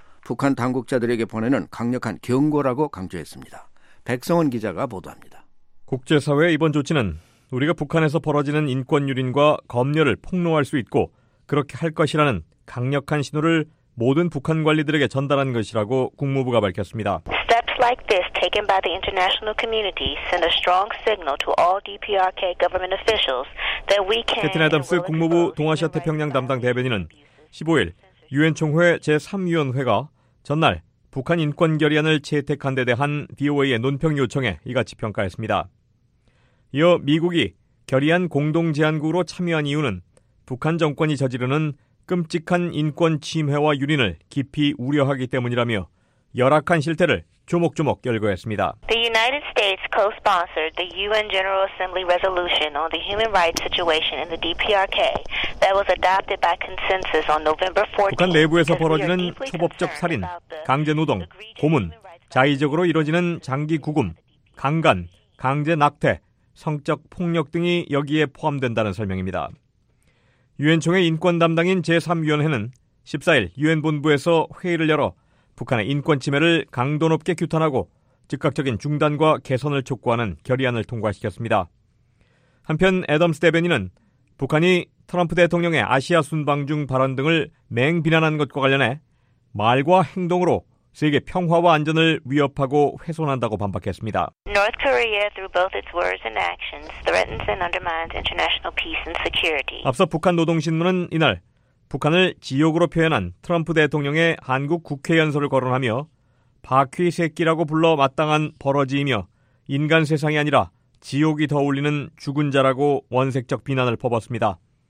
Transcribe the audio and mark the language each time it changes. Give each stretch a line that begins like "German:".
Korean: 북한 당국자들에게 보내는 강력한 경고라고 강조했습니다. 백성원 기자가 보도합니다. 국제사회의 이번 조치는 우리가 북한에서 벌어지는 인권 유린과 검열을 폭로할 수 있고 그렇게 할 것이라는 강력한 신호를 모든 북한 관리들에게 전달한 것이라고 국무부가 밝혔습니다.
English: like this taken by the international community send a strong signal to all DPRK government officials that we can.
Korean: 캐티 애덤스 국무부 동아시아 태평양 담당 대변인은 15일 유엔 총회 제3위원회가 전날 북한 인권 결의안을 채택한 데 대한 BOA의 논평 요청에 이같이 평가했습니다. 이어 미국이 결의안 공동 제안국으로 참여한 이유는 북한 정권이 저지르는 끔찍한 인권 침해와 유린을 깊이 우려하기 때문이라며 열악한 실태를 조목조목 열거했습니다.
English: The United States co-sponsored the UN General Assembly resolution on the human rights situation in the DPRK that was adopted by consensus on November 14th.
Korean: 북한 내부에서 벌어지는 초법적 살인, 강제 노동, 고문, 자의적으로 이루어지는 장기 구금, 강간, 강제 낙태, 성적 폭력 등이 여기에 포함된다는 설명입니다. 유엔총회 인권 담당인 제3위원회는 14일 유엔 본부에서 회의를 열어 북한의 인권 침해를 강도 높게 규탄하고 즉각적인 중단과 개선을 촉구하는 결의안을 통과시켰습니다. 한편 애덤스 대변인은 북한이 트럼프 대통령의 아시아 순방 중 발언 등을 맹비난한 것과 관련해 말과 행동으로 세계 평화와 안전을 위협하고 훼손한다고 반박했습니다.
English: North Korea through both its words and actions threatens and undermines international peace and security.
Korean: 앞서 북한 노동신문은 이날 북한을 지옥으로 표현한 트럼프 대통령의 한국 국회 연설을 거론하며 바퀴 새끼라고 불러 마땅한 버러지이며 인간 세상이 아니라 지옥이 더 어울리는 죽은 자라고 원색적 비난을 퍼붓습니다.